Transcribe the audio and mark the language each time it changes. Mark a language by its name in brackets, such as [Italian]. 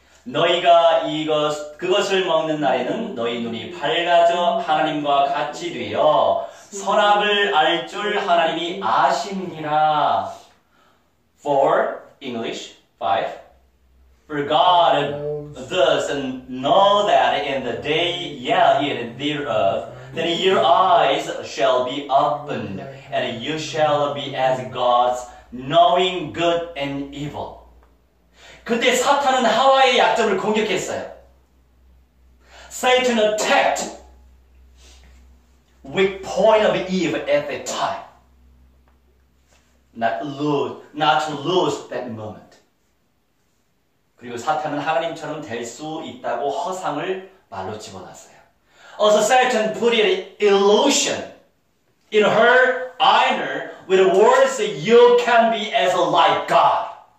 [Korean] 너희가 이것, 그것을 먹는 날에는 너희 눈이 밝아져 하나님과 같이 되어 선악을 알 줄 하나님이 아심이라. [English] 4, English, 5. For God does know that in the day, yeah, yet thereof, then your eyes shall be opened, and you shall be as gods, knowing good and evil. [Korean] 그때 사탄은 하와의 약점을 공격했어요. [English] Satan attacked weak point of Eve at that time. Not to lose that moment. [Korean] 그리고 사탄은 하나님처럼 될 수 있다고 허상을 말로 집어넣었어요. [English] Also Satan put an illusion in her inner with words that you can be as like God.